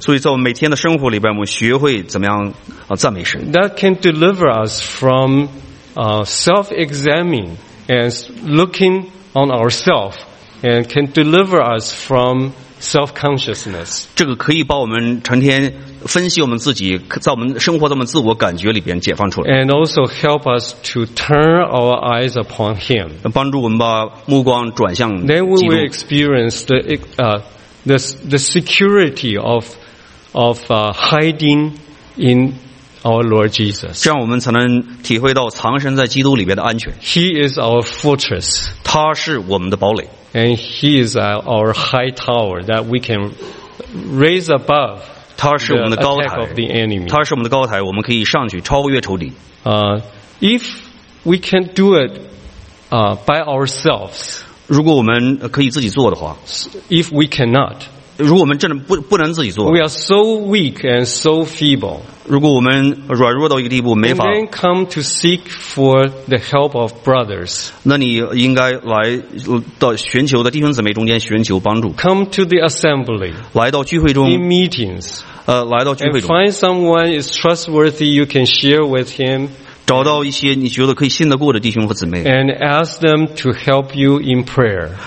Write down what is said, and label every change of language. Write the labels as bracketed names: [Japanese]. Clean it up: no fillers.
[Chinese] 所以在我们每天的生活里边，我们学会怎么样。 [English] That can deliver us from self-examining and looking on ourselves, and can deliver us from self-consciousness. [Chinese] 这个可以把我们成天分析我们自己，在我们生活在我们自我感觉里边解放出来。 [English] And also help us to turn our eyes upon Him. [Chinese] 帮助我们把目光转向基督。 [English] Then we will experience the security of hiding in. Our Lord Jesus. [Chinese] 这样我们才能体会到藏身在基督里边的安全。 [English] He is our fortress. [Chinese] 他是我们的堡垒。 [English] And he is our high tower that we can raise above. [Chinese] 他是我们的高台。 [English] The attack of the enemy. [Chinese] 他是我们的高台，我们可以上去超越仇敌。 [English] If we can do it, by ourselves. [Chinese] 如果我们可以自己做的话。 [English] If we cannot. [Chinese] 如果我们真的不能自己做 [English] ，We are so weak and so feeble. [Chinese] 如果我们软弱到一个地步，没法。 [English] And then come to seek for the help of brothers. [Chinese] 那你应该来到寻求的弟兄姊妹中间寻求帮助。 [English] Come to the assembly. [Chinese] 来到聚会中。 [English] In meetings. [Chinese] 来到聚会中。 [English] And find someone is trustworthy you can share with him. [Chinese] 找到一些你觉得可以信得过的弟兄和姊妹。 [English] And ask them to help you in prayer.